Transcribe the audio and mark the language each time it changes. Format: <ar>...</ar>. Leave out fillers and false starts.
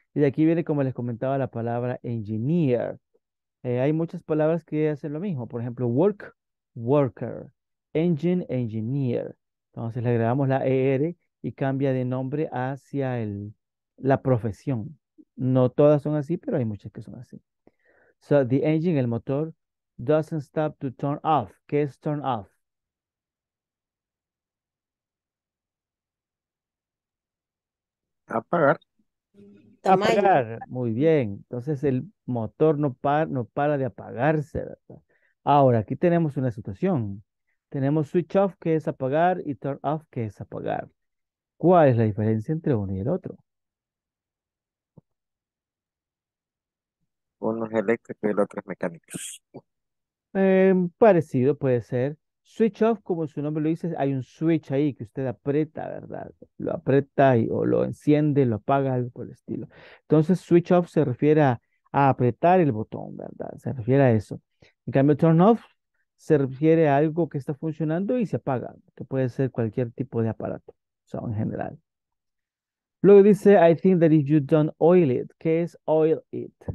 <es>Y de aquí viene, como les comentaba, la palabra engineer. Hay muchas palabras que hacen lo mismo. Por ejemplo, work, worker. Engine, engineer. Entonces le agregamos la ER y cambia de nombre hacia el, la profesión. No todas son así, pero hay muchas que son así.</es> <en>So, the engine,</en> <es>el motor,</es> <en>doesn't stop to turn off.</en> <es>¿Qué es turn off? Apagar. Apagar. Muy bien. Entonces, el motor no para de apagarse, ¿verdad? Ahora, aquí tenemos una situación. Tenemos switch off, que es apagar, y turn off, que es apagar. ¿Cuál es la diferencia entre uno y el otro? Uno es eléctrico y el otro es mecánico. Parecido puede ser. Switch off, como su nombre lo dice, hay un switch ahí que usted aprieta, ¿verdad? Lo aprieta y, o lo enciende, lo apaga, algo por el estilo. Entonces, switch off se refiere a apretar el botón, ¿verdad? Se refiere a eso. En cambio, turn off se refiere a algo que está funcionando y se apaga, que puede ser cualquier tipo de aparato, o sea, en general. Luego dice,</es> <en>I think that if you don't oil it,</en> <es>¿qué es oil it?</es>